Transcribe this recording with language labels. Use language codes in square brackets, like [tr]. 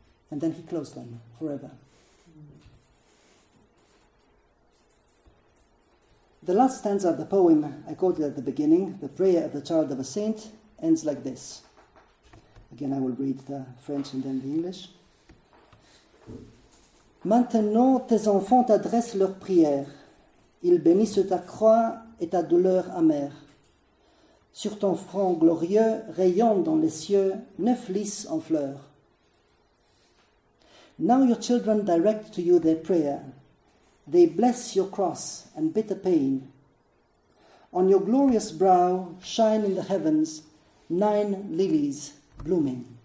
[en] And then he closed them forever. The last stanza of the poem I quoted at the beginning, "The Prayer of the Child of a Saint," ends like this. Again, I will read the French and then the English. [fr] "Maintenant, tes enfants t'adressent leurs prières. Ils bénissent ta croix et ta douleur amère. Sur ton front glorieux rayonne dans les cieux neuf lys en fleurs. [en] Now your children direct to you their prayer. They bless your cross and bitter pain. On your glorious brow shine in the heavens nine lilies blooming."